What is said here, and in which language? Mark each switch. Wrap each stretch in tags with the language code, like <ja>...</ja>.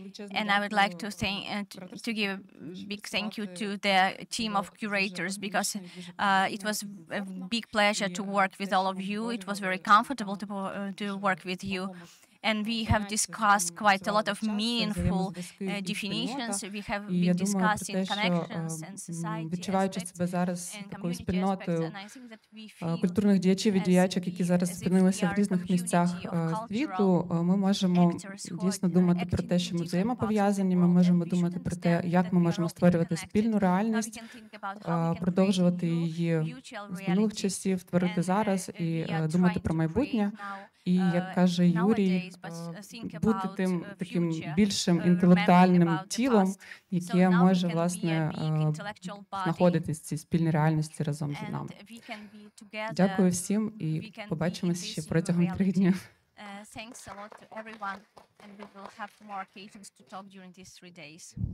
<en>And I would like to thank to give a big thank you to the team of curators, because it was a big pleasure to work with all of you. It was very comfortable to work with you. and we have discussed quite a lot of meaningful definitions. We have been discussing connections and society aspects and community aspects, and I think that we feel</en> <uk>культурних діячів і діячок, які зараз спинилися в різних місцях світу, ми можемо дійсно думати про те, що ми взаємопов'язані, ми можемо думати про те, як ми можемо створювати спільну реальність, продовжувати її з минулих часів, творити зараз і думати про майбутнє. І, як каже Юрій, бути тим таким більшим інтелектуальним тілом, яке може, власне, знаходитись в цій спільній реальності разом зі нами. Дякую всім і побачимося ще протягом 3 дні.</uk> <en>Thanks a lot to everyone, and we will have more occasions to talk during these 3 days.</en>